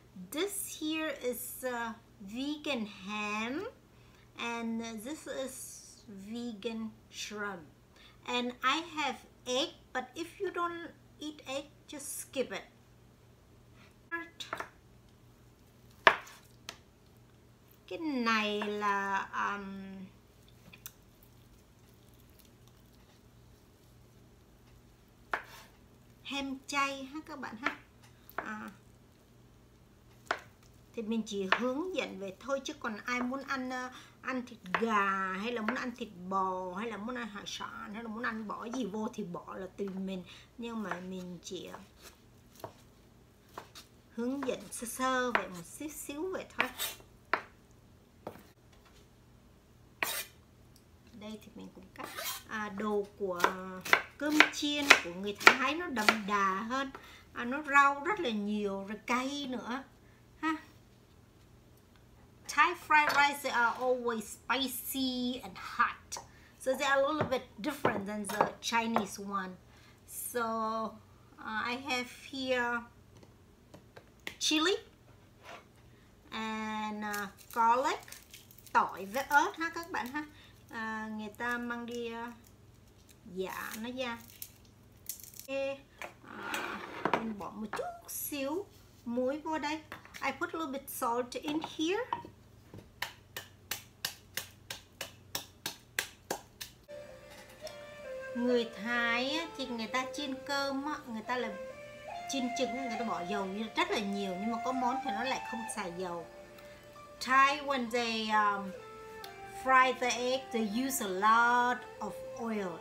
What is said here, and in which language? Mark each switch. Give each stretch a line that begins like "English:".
English: This here is vegan ham and this is vegan shrimp. And I have egg, but if you don't eat egg, just skip it.
Vietnamese: Cái này là ham chay ha các bạn ha. Thì mình chỉ hướng dẫn về thôi, chứ còn ai muốn ăn ăn thịt gà hay là muốn ăn thịt bò hay là muốn ăn hải sản hay là muốn ăn bỏ gì vô thì bỏ là tùy mình, nhưng mà mình chỉ hướng dẫn sơ sơ vậy, một xíu xíu vậy thôi. Đây thì mình cũng cắt đồ của cơm chiên của người Thái nó đậm đà hơn, nó rau rất là nhiều rồi cay nữa.
English: Thai fried rice, they are always spicy and hot. So they are a little bit different than the Chinese one. So I have here chili and garlic,
Vietnamese: tỏi với ớt ha các bạn ha. Người ta mang đi giả nó ra. Okay. Mình bỏ một chút xíu muối vô đây.
English: I put a little bit salt in here.
Vietnamese: Người Thái thì người ta chiên cơm, người ta là chiên trứng, người ta bỏ dầu rất là nhiều, nhưng mà có món thì nó lại không xài dầu.
English: Thai, when they fry the egg, they use a lot of oil.